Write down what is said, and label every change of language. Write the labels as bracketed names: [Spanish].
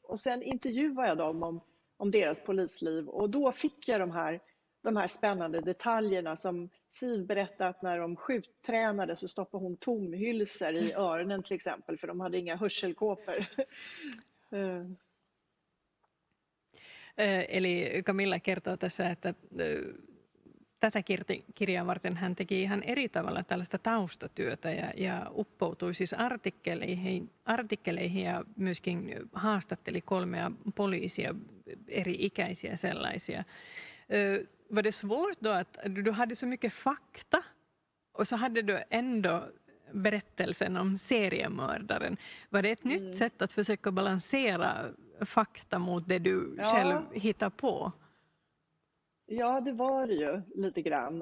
[Swedish] Och sen intervjuade jag dem om deras polisliv. Och då fick jag de här spännande detaljerna som Siv berättade att när de skjuttränade så stoppade hon tomhylsor i öronen till exempel, för de hade inga hörselkåpor. [Finnish] Eli Camilla kertoo tässä, että tätä kirjaa varten hän teki ihan eri tavalla tällaista taustatyötä ja uppoutui siis artikkeleihin ja myöskin haastatteli 3 poliisia, eri ikäisiä sellaisia. [Swedish] Var det svårt då att du hade så mycket fakta och så hade du ändå berättelsen om seriemördaren? Var det ett nytt sätt att försöka balansera fakta mot det du själv hittar på? Ja, det var det ju lite grann.